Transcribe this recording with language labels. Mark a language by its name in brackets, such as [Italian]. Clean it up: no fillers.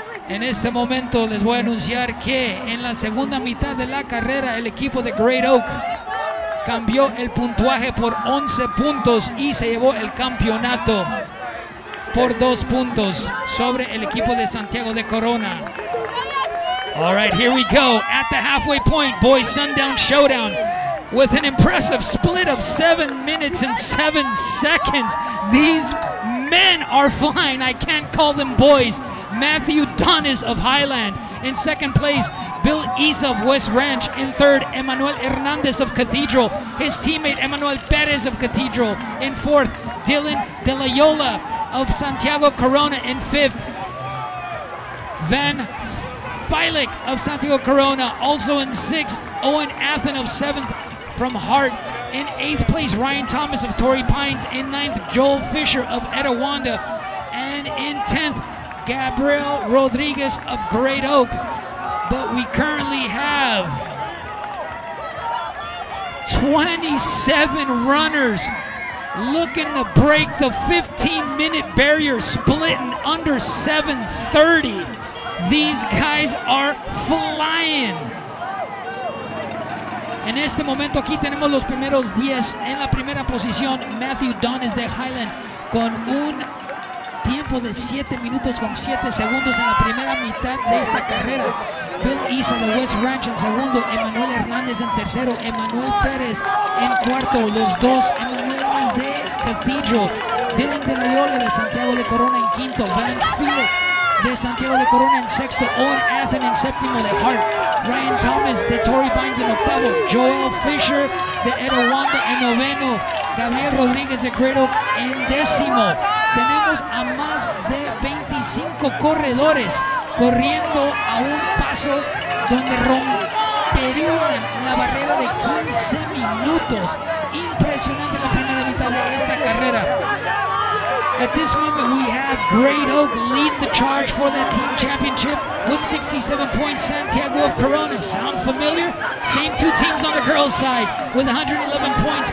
[Spanish] En este momento les voy a anunciar que en la segunda mitad de la carrera el equipo de Great Oak cambió el puntuaje por 11 puntos y se llevó el campeonato por 2 puntos sobre el equipo de Santiago de Corona. [English] All right, here we go. At the halfway point, boys Sundown Showdown. With an impressive split of 7 minutes and 7 seconds, these men are flying. I can't call them boys. Matthew Donis of Highland. In second place, Bill Issa of West Ranch. In third, Emmanuel Hernandez of Cathedral. His teammate, Emmanuel Perez of Cathedral. In fourth, Dylan De La Yola of Santiago Corona. In fifth, Van Filek of Santiago Corona. Also in sixth, Owen Athen of seventh from Hart. In eighth place, Ryan Thomas of Torrey Pines. In ninth, Joel Fisher of Etiwanda. And in 10th, Gabriel Rodriguez of Great Oak. But we currently have 27 runners looking to break the 15-minute barrier, splitting under 7:30. These guys are flying. [Spanish] En este momento aquí tenemos los primeros 10 en la primera posición. Matthew Donis de Highland con un tiempo de 7 minutos con 7 segundos en la primera mitad de esta carrera. Bill Issa de West Ranch en segundo. Emmanuel Hernandez en tercero. Emmanuel Perez en cuarto. Los dos Emmanuels de Cathedral. Dylan de Loyola de Santiago de Corona en quinto. Van Filek de Santiago de Corona en sexto. Owen Athen en séptimo de Hart. Ryan Thomas de Torrey Pines en octavo. Joel Fisher de Etiwanda en noveno. Gabriel Rodriguez de Great Oak en décimo. Tenemos a más de 25 corredores corriendo a un paso donde romperían la barrera de 15 minutos. Impresionante la primera mitad de esta carrera. [English] At this moment, we have Great Oak lead the charge for that team championship with 67 points. Santiago of Corona, sound familiar? Same two teams on the girls' side with 111 points.